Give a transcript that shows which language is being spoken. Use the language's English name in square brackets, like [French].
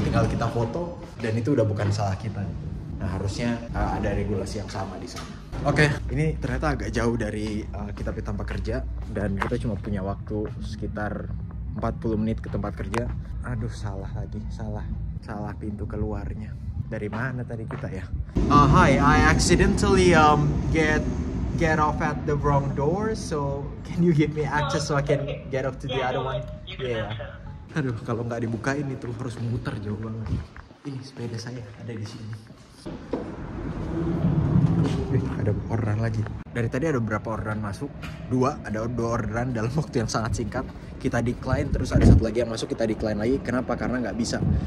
[Indonesian] Tinggal kita foto dan itu udah bukan salah kita. Nah, harusnya ada regulasi yang sama di sana. Oke, ini ternyata agak jauh dari kitab tanpa kerja dan kita cuma punya waktu sekitar 40 menit ke tempat kerja. Aduh, salah lagi, salah pintu keluarnya. Dari mana tadi kita ya? [English] Hi, I accidentally get off at the wrong door. So can you give me access so I can get off to the other one? Yeah. [Indonesian] Aduh, kalau nggak dibukain itu harus muter jauh banget. Ini sepeda saya ada di sini. Ada orderan lagi. Dari tadi ada berapa orderan masuk? Dua, ada dua orderan dalam waktu yang sangat singkat. Kita decline, terus ada satu lagi yang masuk, kita decline lagi. Kenapa? Karena nggak bisa.